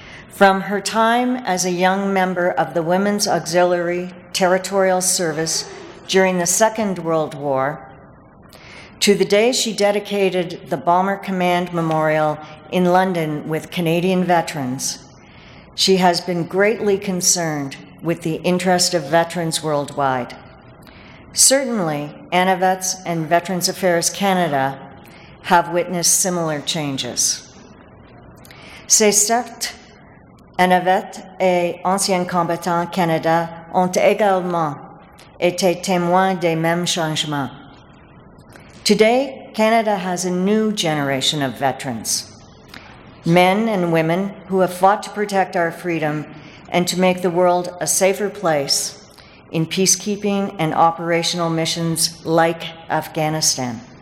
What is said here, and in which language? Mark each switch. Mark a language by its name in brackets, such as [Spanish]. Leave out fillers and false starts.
[English] From her time as a young member of the Women's Auxiliary Territorial Service during the Second World War, to the day she dedicated the Bomber Command Memorial in London with Canadian veterans, she has been greatly concerned with the interest of veterans worldwide. Certainly, AnniVets and Veterans Affairs Canada have witnessed similar changes. [French] C'est certes, AnniVets et Anciens Combattants Canada ont également été témoins des mêmes changements. [English] Today, Canada has a new generation of veterans, men and women who have fought to protect our freedom and to make the world a safer place in peacekeeping and operational missions like Afghanistan.